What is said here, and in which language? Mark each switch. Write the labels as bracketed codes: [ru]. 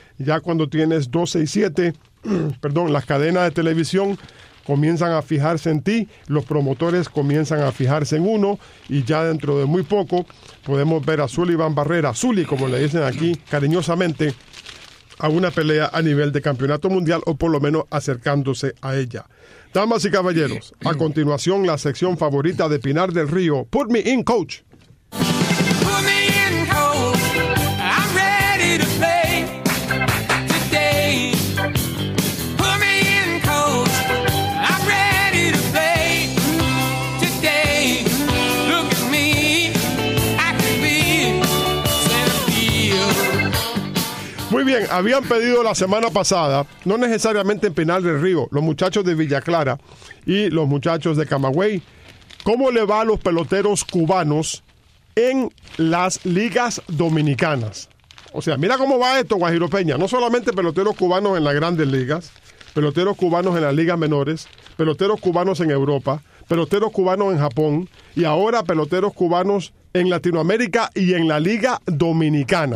[es] Ya cuando tienes 12-7, perdón, las cadenas de televisión comienzan a fijarse en ti, los promotores comienzan a fijarse en uno y ya dentro de muy poco podemos ver a Sullivan Barrera, Sully, como le dicen aquí cariñosamente, a una pelea a nivel de campeonato mundial o por lo menos acercándose a ella. Damas y caballeros, a continuación la sección favorita de Pinar del Río, Put Me In Coach. [en] Put me in coach, I'm ready to play today. Put me in coach, I'm ready to play today. Look at me, I can be champion. [es] Muy bien, habían pedido la semana pasada, no necesariamente en Pinar del Río, los muchachos de Villa Clara y los muchachos de Camagüey, ¿cómo le va a los peloteros cubanos en las ligas dominicanas? O sea, mira cómo va esto, Guajiro Peña. No solamente peloteros cubanos en las grandes ligas, peloteros cubanos en las ligas menores, peloteros cubanos en Europa, peloteros cubanos en Japón, y ahora peloteros cubanos en Latinoamérica y en la Liga Dominicana.